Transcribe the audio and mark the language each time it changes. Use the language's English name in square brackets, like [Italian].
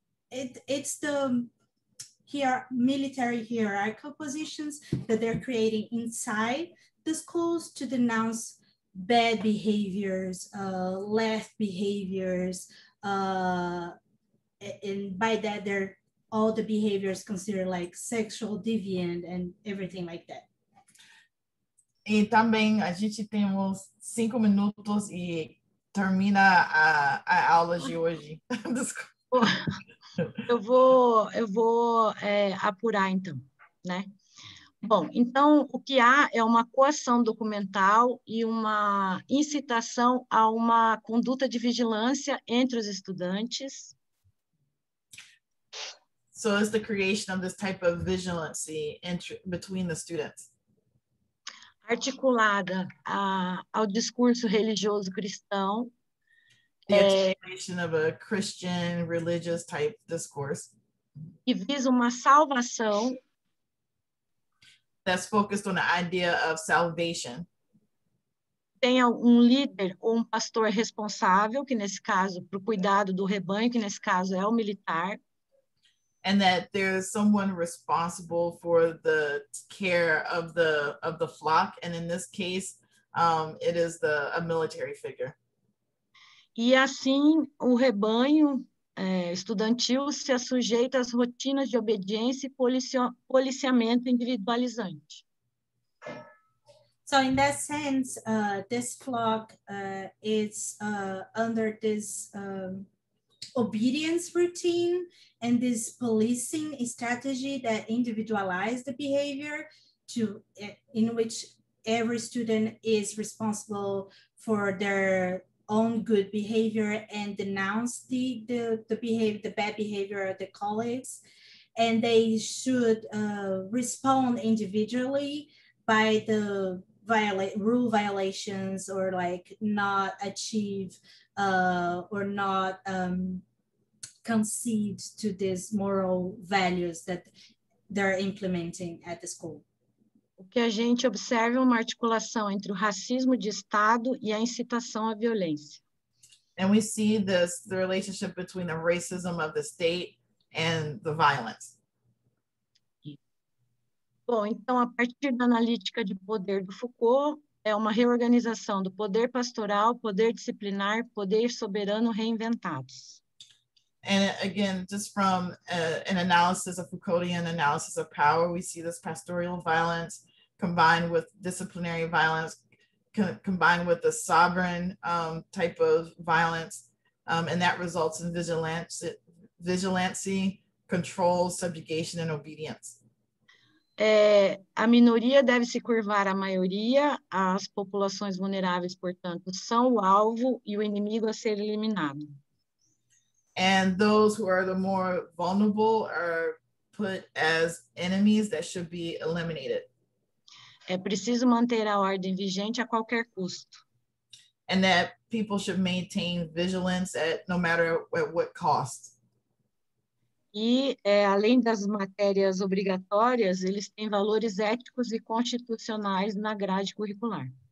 [English] It's the here military hierarchical positions that they're creating inside the schools to denounce bad behaviors, left behaviors, and by that they're all the behaviors considered like sexual deviant and everything like that. [Portuguese] E também a gente tem uns 5 minutos e termina a aula de hoje. Desculpa. Eu vou apurar, então, né? Bom, então, o que há é uma coação documental e uma incitação a uma conduta de vigilância entre os estudantes. [English] So it's the creation of this type of vigilance between the students. [Portuguese] Articulada ao discurso religioso cristão. [English] The articulation of a Christian religious type discourse. [Portuguese] Que visa uma salvação. [English] That's focused on the idea of salvation. [Portuguese] Tem um líder ou um pastor responsável, que nesse caso, para o cuidado do rebanho, que nesse caso é o militar. [English] And that there's someone responsible for the care of the flock, and in this case, it is a military figure. [Portuguese] E assim, o rebanho estudantil se assujeita às rotinas de obediência e policiamento individualizante. [English] So in that sense, this flock is under this obedience routine and this policing strategy that individualized the behavior to in which every student is responsible for their own good behavior and denounce the bad behavior of the colleagues, and they should respond individually by the rule violations or like not achieve or not concede to these moral values that they're implementing at the school. [Portuguese] O que a gente observa é uma articulação entre o racismo de Estado e a incitação à violência. [English] And we see this, the relationship between the racism of the state and the violence. [Portuguese] Bom, então, a partir da analítica de poder do Foucault, é uma reorganização do poder pastoral, poder disciplinar, poder soberano reinventados. [English] And again, just from an analysis, a Foucauldian analysis of power, we see this pastoral violence combined with disciplinary violence, combined with the sovereign type of violence, and that results in vigilance, control, subjugation, and obedience. [Portuguese] A minoria deve se curvar à maioria, as populações vulneráveis, portanto, são o alvo e o inimigo a ser eliminado. [English] And those who are the more vulnerable are put as enemies that should be eliminated. [Portuguese] É preciso manter a ordem vigente a qualquer custo. [English] And that people should maintain vigilance at no matter at what cost. [Portuguese] E além das matérias obrigatórias, eles têm valores éticos e constitucionais na grade curricular.